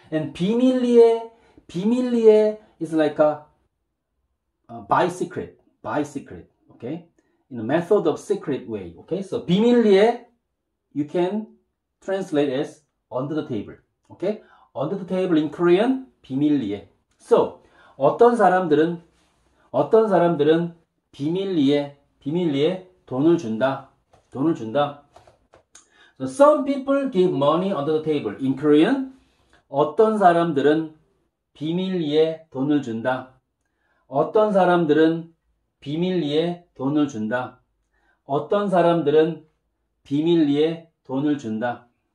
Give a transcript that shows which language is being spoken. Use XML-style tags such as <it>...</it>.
<en>And 비밀리에. 비밀리에 is like a by secret, okay? In a method of secret way, okay? So 비밀리에, you can translate as under the table, okay? Under the table in Korean, 비밀리에.</en> <ko>So 어떤 사람들은 비밀리에 돈을 준다.</ko> <en>So some people give money under the table in Korean.</en> <ko>어떤 사람들은 비밀리에 돈을 준다. 어떤 사람들은 비밀리에 돈을 준다. 어떤 사람들은 비밀리에 돈을 준다.</ko>